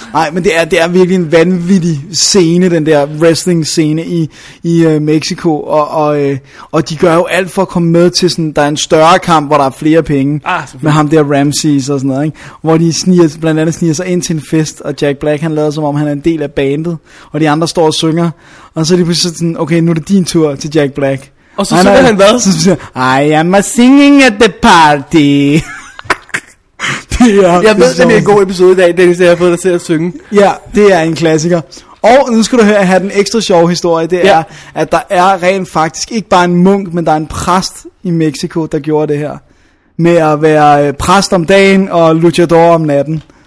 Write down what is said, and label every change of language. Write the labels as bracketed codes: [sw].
[da] Nej, men det er virkelig en vanvittig scene, den der wrestling-scene i Mexico, og de gør jo alt for at komme med til sådan, der er en større kamp, hvor der er flere penge, med ham der Ramses og sådan noget, ikke? Hvor de blandt andet sniger sig ind til en fest, og Jack Black, han lader som om, han er en del af bandet, og de andre står og synger, og så er de pludselig sådan, okay, nu er det din tur til Jack Black. Og så synger han hvad? [en] Så siger han, "I am a singing at the party." [da] Ja, jeg ved, det er en god episode i dag, Dennis, jeg har fået dig til at synge. Ja, det er en klassiker. Og nu skal du have den ekstra sjove historie, det er, at der er rent faktisk ikke bare en munk, men der er en præst i Mexico, der gjorde det her. Med at være præst om dagen og luchador om natten.